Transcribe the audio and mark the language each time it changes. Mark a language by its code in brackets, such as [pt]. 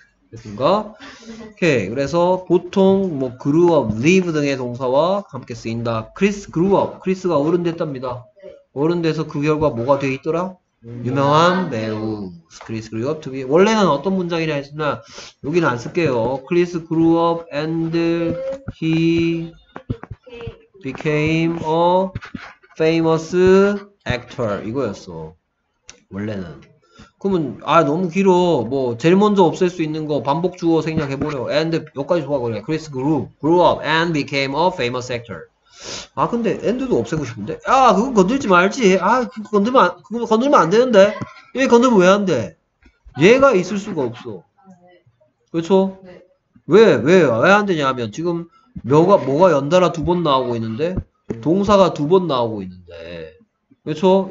[ko] 됐습니까? 오케이. 그래서 보통 뭐 grew up, live 등의 동사와 함께 쓰인다. [en] Chris grew up. [ko] Chris가 어른 됐답니다. 어른 돼서 그 결과 뭐가 되어 있더라? 유명한 배우. [en] Chris grew up to be. [ko] 원래는 어떤 문장이냐 했으나 여기는 안 쓸게요. [en] Chris grew up and he became a famous actor. [ko] 이거였어. 원래는. 그러면 아 너무 길어. 뭐 제일 먼저 없앨 수 있는 거 반복 주어 생략해 보려. And 여기까지 좋아 그래. [en] Chris grew up and became a famous actor. [ko] 아 근데 and도 없애고 싶은데. 아 그거 건들지 말지. 아 그거 건들면 안 되는데. 얘 건들면 왜 안 돼? 얘가 있을 수가 없어. 그렇죠? 왜 안 되냐면 지금 뭐가 연달아 두 번 나오고 있는데 동사가 두 번 나오고 있는데. 그렇죠?